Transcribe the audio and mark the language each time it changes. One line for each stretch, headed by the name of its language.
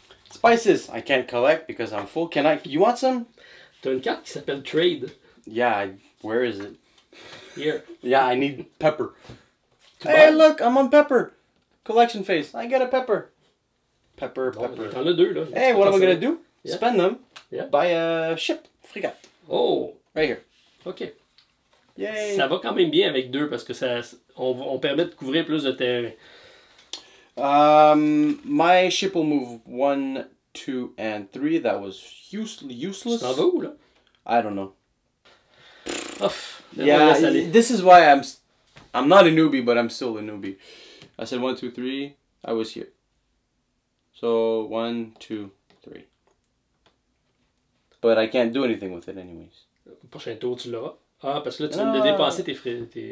English: Spices, I can't collect because I'm full. Can I... You want some?
French: T'as une carte qui s'appelle Trade.
English: Yeah, where is it? Here. Yeah, I need pepper. Hey, look, I'm on pepper. Collection phase. I get a pepper. Pepper, bon, pepper.
French: T'en as deux, là.
English: Hey, what am I going to do? Yeah. Spend them. Yeah. Buy a ship, frigate. Oh. Right here. OK. Yay.
French: Ça va quand même bien avec deux parce que ça, on permet de couvrir plus de terrain.
English: My ship will move 1, 2, and 3. That was useless.
French: Ça va où, là?
English: I don't know. Ouf. Yeah, this is why I'm not a newbie, but I'm still a newbie. I said 1, 2, 3. I was here. So 1, 2, 3. But I can't do anything with it anyways.
French: Prochain tour, tu l'auras. Ah, parce que là, tu viens de dépenser tes frais.